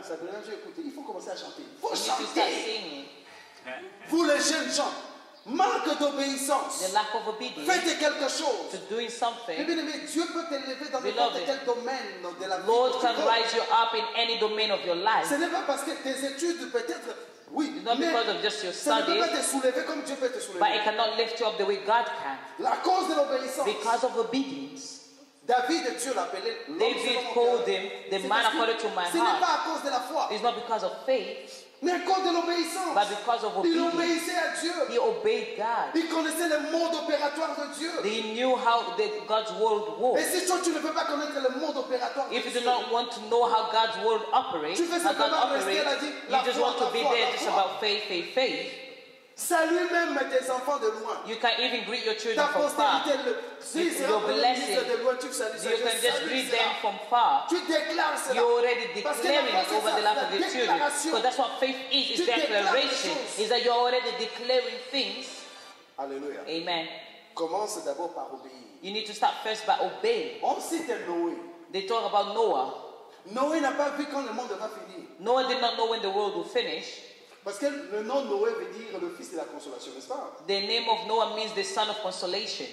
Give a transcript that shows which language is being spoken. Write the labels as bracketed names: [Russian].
[French] Ça veut dire, écoutez, il faut commencer à chanter. Il faut [English] chanter. Start singing. [French] Vous les jeunes gens, manque d'obéissance. [English] The lack of obedience. [French] Faites quelque chose. [English] To doing something. [French] Mais Dieu peut t'élever dans n'importe quel domaine de la vie. [English] Lord can raise you up in any domain of your life. [French] Ce n'est pas parce que tes études peut-être. Oui, [English] not because of just your studies, [French] ça ne peut pas te soulever comme Dieu peut te soulever. [English] But it cannot lift you up the way God can. [French] La cause de l'obéissance. [English] Because of obedience. [French] David, Dieu l'appelait. [English] David called him the man according to my heart. [French] Ce n'est pas à cause de la foi. [English] It's not because of faith. [French] Mais à cause de l'obéissance. [English] But because of obedience. [French] Il obéissait à Dieu. [English] He obeyed God. [French] Il connaissait le mode opératoire de Dieu. [English] He knew how God's world works. [French] Et si toi tu ne veux pas connaître le mode opératoire [English] if you do not want to know how God's world operates, [French] tu veux [English] how God operates, you just want to be there just about faith, faith, faith. [French] Salut même tes enfants de loin. [English] You can even greet your children from far. Your blessing. You can just greet them from far. [French] Tu déclares cela. [English] You're already declaring it over the life of the children. Because that's what faith is. It's declaration. Is that you're already declaring things. Alleluia. Amen. [French] Commence d'abord par obéir. [English] You need to start first by obeying. [French] On cite Noé. [English] They talk about Noah. [French] Noé n'a pas vu quand le monde va finir. [English] Noah did not know when the world will finish. [French] Parce que le nom Noé veut dire le fils de la consolation, n'est-ce pas? [English] The name of Noah means the son of consolation.